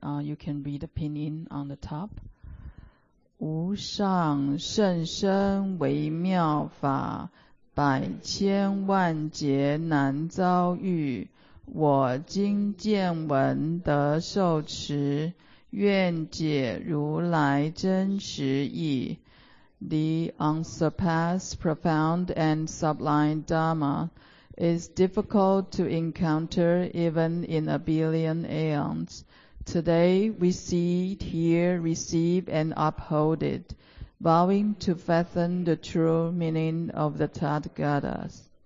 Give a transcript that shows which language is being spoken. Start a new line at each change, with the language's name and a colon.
English: You can read the pinyin on the top.
Chinese: 无上甚深微妙法，百千万劫难遭遇。我今见闻得受持，愿解如来真实义。
English: The unsurpassed, profound, and sublime Dharma is difficult to encounter even in a billion aeons. Today we see, hear, receive, and uphold it, vowing to fathom the true meaning of the Tathagatas.